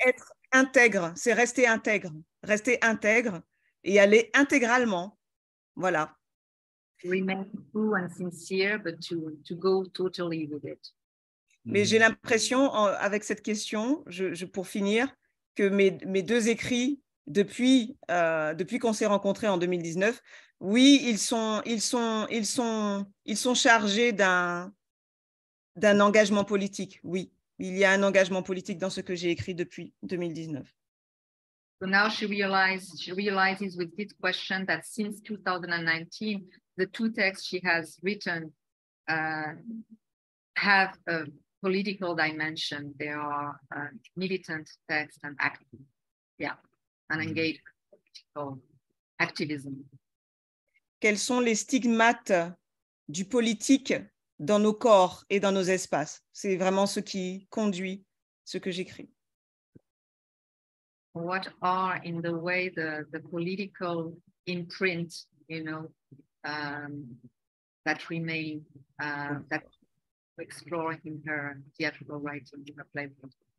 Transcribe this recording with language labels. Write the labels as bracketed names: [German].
[French] Être intègre, c'est rester intègre et aller intégralement, voilà. [English] Remain true and sincere, but to go totally with it. [French] Mais j'ai l'impression, avec cette question, je pour finir, que mes deux écrits depuis qu'on s'est rencontrés en 2019, oui, ils sont chargés d'un engagement politique. Oui, il y a un engagement politique dans ce que j'ai écrit depuis 2019. [English] So now she realizes with this question that since 2019, the two texts she has written have a political dimension. They are militant texts and activism. Yeah, and engage political activism. [French] Quels sont les stigmates du politique dans nos corps et dans nos espaces? C'est vraiment ce qui conduit ce que j'écris. [English] What are in the way the political imprint, you know, that remain, that we explore in her theatrical writing, in her playwriting?